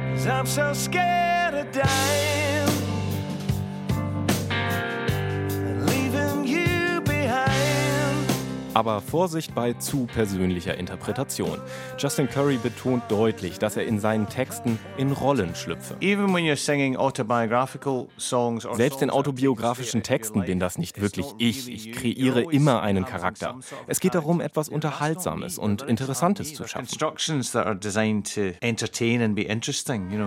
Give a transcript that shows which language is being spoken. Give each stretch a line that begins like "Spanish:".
English: I'm so scared of dying. Leaving you behind.
German: Aber Vorsicht bei zu persönlicher Interpretation. Justin Curry betont deutlich, dass er in seinen Texten in Rollen schlüpfe.
English: Even when you're singing autobiographical songs or
German: selbst in autobiographischen Texten bin das nicht wirklich ich. Ich kreiere immer einen Charakter. Es geht darum, etwas Unterhaltsames und Interessantes zu schaffen.
English: Instructions that are designed to entertain and be interesting, you know.